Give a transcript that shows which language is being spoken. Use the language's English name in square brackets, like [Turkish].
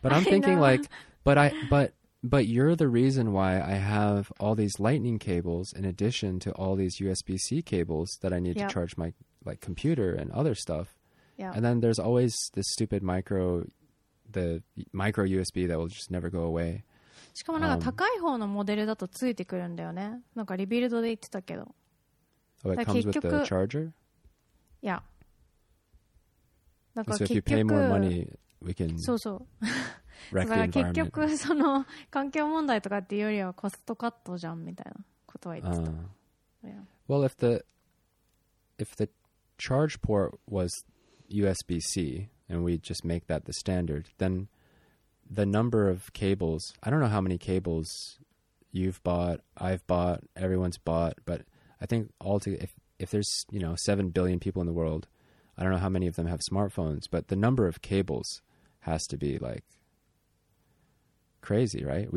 [English] But I'm thinking like, but you're the reason why I have all these lightning cables in addition to all these USB-C cables that I need to charge my like computer and other stuff. Yeah. And then there's always this stupid micro USB that will just never go away. [Japanese] しかもなんか高い方のモデルだとついてくるんだよね。なんかリビルドで言ってたけど。 [English] Oh, it comes with the charger? Yeah. So if you pay more money, we can そうそう wreck the environment. [Japanese] 結局その環境問題とかっていうよりはコストカットじゃんみたいなことは言ってた。 [English] Well, if the charge port was USB-C and we just make that the standard, then the number of cables, I don't know how many cables you've bought, I've bought, everyone's bought, but I think if there's, you know, 7 billion people in the world,I don't know how many of them have smartphones, but the number of cables has to be like crazy, right?